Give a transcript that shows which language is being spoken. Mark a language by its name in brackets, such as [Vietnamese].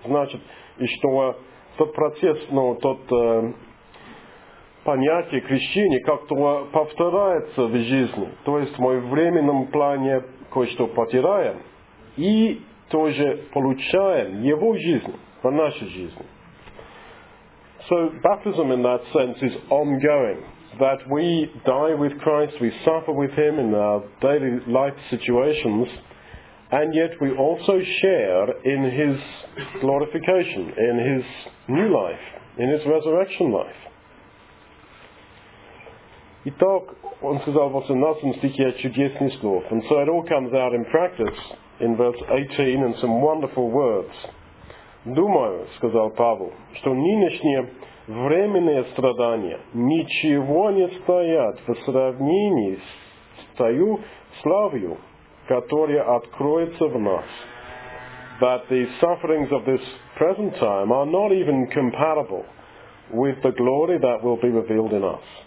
[Russian] Значит, и что тот процесс, ну, тот понятие крещения как-то повторяется в жизни. То есть мы в временном плане кое-что потеряем, и тоже получаем Его жизнь в нашей жизни. [English] So, baptism in that sense is ongoing. That we die with Christ, we suffer with Him in our daily life situations, and yet we also share in His glorification, in His new life, in His resurrection life. [Russian] Итак, он сказал, в 18 стихе чудесный слов. [English] And so it all comes out in practice in verse 18 in some wonderful words. [Russian] Думаю, сказал Павел, что нынешние временные страдания ничего не стоят в сравнении с той славою, которая откроется в нас. [English] That the sufferings of this present time are not even comparable with the glory that will be revealed in us.